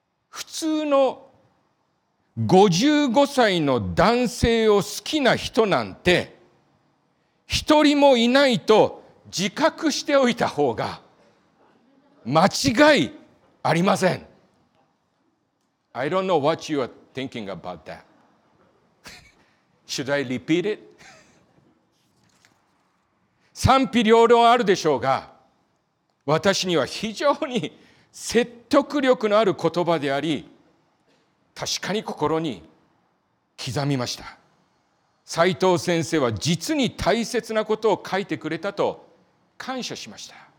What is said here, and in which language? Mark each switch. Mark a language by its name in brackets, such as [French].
[Japanese] 普通の55歳の男性を好きな人なんて、一人もいないと自覚しておいた方が間違いありません。 [English] I don't know what you are thinking about that. Should I repeat it? [Japanese] 賛否両論あるでしょうが、私には非常に説得力のある言葉であり、確かに心に刻みました。斉藤先生は実に大切なことを書いてくれたと感謝しました。